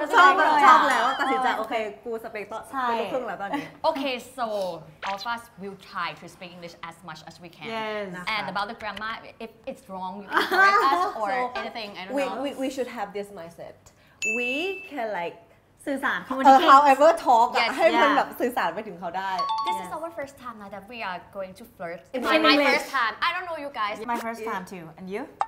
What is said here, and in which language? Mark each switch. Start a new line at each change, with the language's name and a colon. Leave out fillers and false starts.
Thai: ชอบเลยชอบแล้วตัดสินใจโอเคกูสเปคต่อเป็นลูกครึ่งแล้วตอนนี้โอเค
English: so all of us will try to speak English as much as we can and about the grammar if it's wrong you can correct us or anything I don't know we should have this mindset we can like
Thai: สื่อสารค อมมูนิเคท
English: however talk
Thai: ให้มันแบบสื่อสารไปถึงเขาได้
English: This is our first time that we are going to flirt in English my first time I don't know you guys my first time too and you